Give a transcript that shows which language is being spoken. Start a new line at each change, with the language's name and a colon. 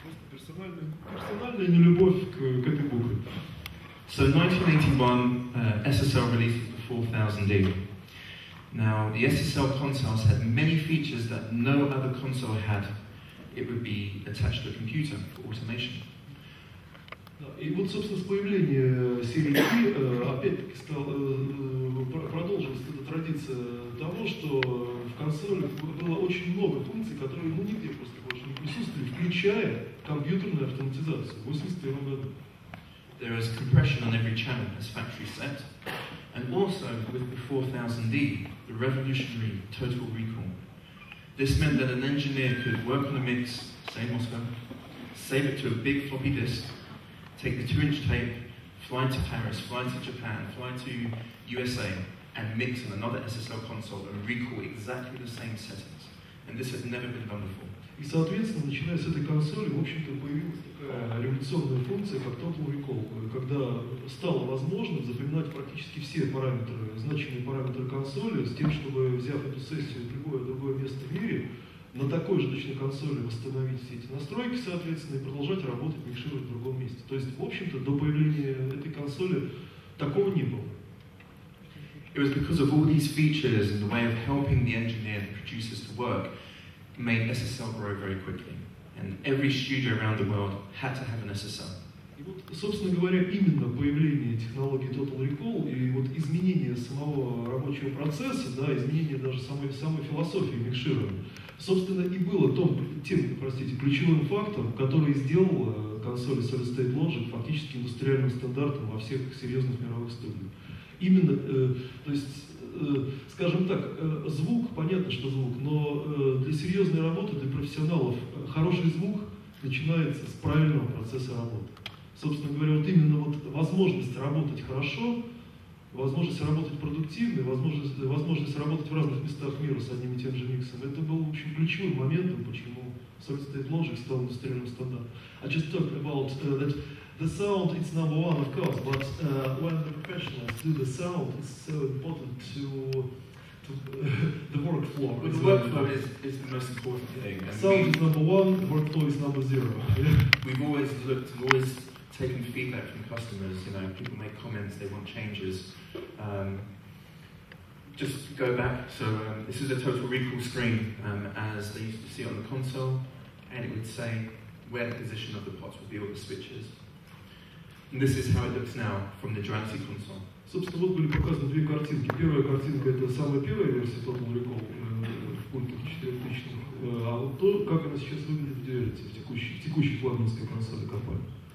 Russian: Персональная нелюбовь к этой букве.
English: So in 1981, SSL released the 4000D. Now, the SSL consoles had many features that no other console had. It would be attached to a computer for automation.
Russian: И вот, собственно, с появлением серии D опять-таки продолжилась эта традиция того, что в консоли было очень много функций, которые, ну, нигде просто больше не присутствовали, включая компьютерную автоматизацию в 81 году.
English: There was compression on every channel as factory set, and also with the 4000D, the revolutionary total recall. This meant that an engineer could work on a mix, same Moscow, save it to a big floppy disk, take the 2-inch tape, fly to Paris, fly to Japan, fly to USA, and mix on another SSL console and recall exactly the same settings. And this had never been done before.
Russian: И, соответственно, начиная с этой консоли, в общем-то, появилась такая революционная функция, как Total Recall, когда стало возможным запоминать практически все параметры, значимые параметры консоли, с тем, чтобы, взяв эту сессию в любое другое место в мире, на такой же точной консоли восстановить все эти настройки, соответственно, и продолжать работать, микшировать в другом месте. То есть, в общем-то, до появления этой консоли такого не было.
English: It was because of all these features and the way of helping the engineer and producers to work made SSL grow very quickly. And every studio around the world had to have an SSL.
Russian: И вот, собственно говоря, именно появление технологии Total Recall и вот изменение самого рабочего процесса, да, изменение даже самой философии микширования, собственно, и было ключевым фактором, который сделал консоли Solid State Logic фактически индустриальным стандартом во всех серьезных мировых студиях. Именно, то есть, скажем так, звук, понятно, что звук, но для серьезной работы, для профессионалов, хороший звук начинается с правильного процесса работы. Собственно говоря, вот именно вот возможность работать хорошо, возможность работать продуктивно, возможность работать в разных местах мира с одним и тем же миксом, это был, в общем, ключевым моментом, почему Solid State Logic стал индустриальным стандартом.
English: I just talked about that. The sound is number one, of course, but when the professionals do the sound, it's so important to the workflow. But the workflow is the most important thing. And sound is number one, workflow is number zero. We've always looked, we've always taken feedback from customers, you know, people make comments, they want changes. Just go back, so this is a Total Recall screen, as they used to see on the console, and it would say where the position of the pots would be or the switches. And this is how it looks now from the Jurassic console.
Russian: Собственно, вот были показаны две картинки. Первая картинка — это самая первая версия Total Recall в пультах 4000-х. А то, как она сейчас выглядит в Duality, в текущей флагманской консоли компании.